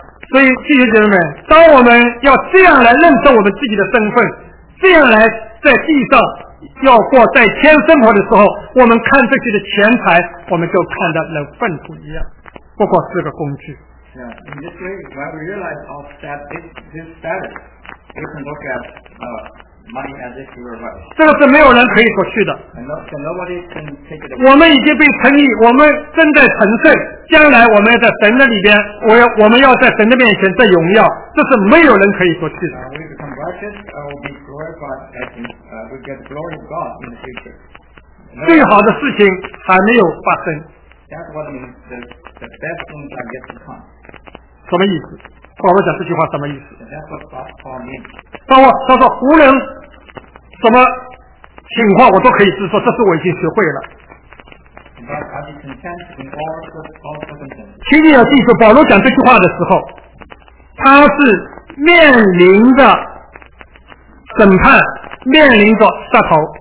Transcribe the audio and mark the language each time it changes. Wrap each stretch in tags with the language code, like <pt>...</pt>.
<zh>所以弟兄姐妹们，当我们要这样来认识我们自己的身份，这样来在地上要过在天生活的时候，我们看这些的钱财，我们就看得能粪土一样，不过是个工具。</zh> <en>Yeah, in this way, when we realize how that this status, we can look at money as if we were rich.</en> <zh>这个是没有人可以夺去的。</zh> <en>And nobody can take it away.</en> <zh>我们已经被称义，我们正在成圣，将来我们要在神的里边，我们要在神的面前得荣耀，这是没有人可以夺去的。</zh> <en>We become righteous will be glorified as in, will get the glory of God in the future.</en> <zh>最好的事情还没有发生。</zh> <en>That's what means the best things are yet to come.</en> <zh>什么意思？保罗讲这句话什么意思？</zh> <en>That's what Paul means.</en> <zh>保罗他说无论什么情况我都可以知道，这是我已经学会了。</zh> <en>But I'll be content in all circumstances.</en> <zh>请你要记住，保罗讲这句话的时候，他是面临着审判，面临着杀头。</zh>